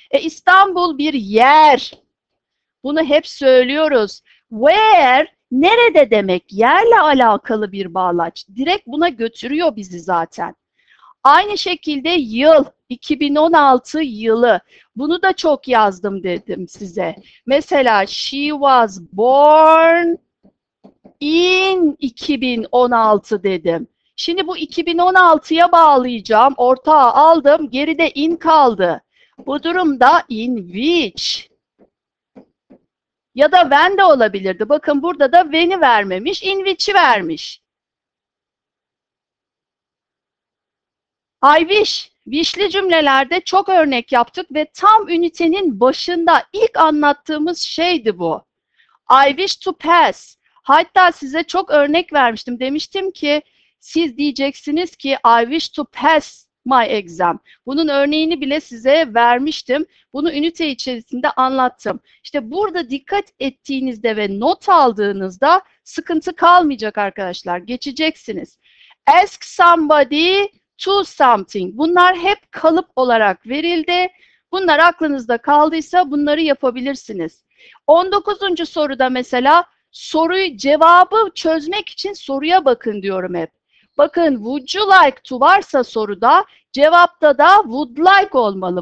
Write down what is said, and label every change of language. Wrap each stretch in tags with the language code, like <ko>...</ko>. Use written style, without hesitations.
<tr>İstanbul bir yer. Bunu hep söylüyoruz. Where Nerede demek? Yerle alakalı bir bağlaç. Direkt buna götürüyor bizi zaten. Aynı şekilde yıl, 2016 yılı. Bunu da çok yazdım dedim size.</tr> <en>Mesela she was born in 2016 dedim.</en> <tr>Şimdi bu 2016'ya bağlayacağım. Ortağı aldım. Geride in kaldı. Bu durumda in which. Ya da when de olabilirdi. Bakın burada da when'i vermemiş, in which'i vermiş.</tr> <en>I wish.</en> <tr>Wish'li cümlelerde çok örnek yaptık ve tam ünitenin başında ilk anlattığımız şeydi bu.</tr> <en>I wish to pass.</en> <tr>Hatta size çok örnek vermiştim. Demiştim ki siz diyeceksiniz ki</tr> <en>I wish to pass my exam.</en> <tr>Bunun örneğini bile size vermiştim. Bunu ünite içerisinde anlattım. İşte burada dikkat ettiğinizde ve not aldığınızda sıkıntı kalmayacak arkadaşlar. Geçeceksiniz.</tr> <en>Ask somebody to something.</en> <tr>Bunlar hep kalıp olarak verildi. Bunlar aklınızda kaldıysa bunları yapabilirsiniz. 19. soruda mesela soruyu cevabı çözmek için soruya bakın diyorum hep. Bakın</tr> <en>would you like to</en> <tr>varsa soruda cevapta da would like olmalı.</tr>